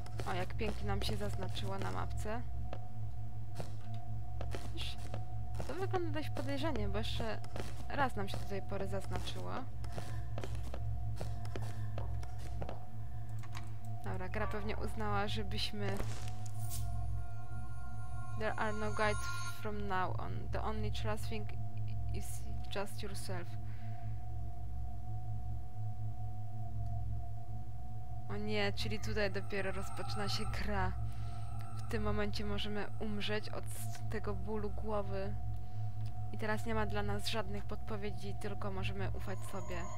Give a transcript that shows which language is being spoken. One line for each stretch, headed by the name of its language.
Polish: O, jak pięknie nam się zaznaczyło na mapce. To wygląda dość podejrzanie, bo jeszcze raz nam się do tej pory zaznaczyło. Dobra, gra pewnie uznała, żebyśmy...
English: There are no guides from now on. The only trusting is just yourself.
Polish: O nie, czyli tutaj dopiero rozpoczyna się gra. W tym momencie możemy umrzeć od tego bólu głowy. I teraz nie ma dla nas żadnych podpowiedzi, tylko możemy ufać sobie.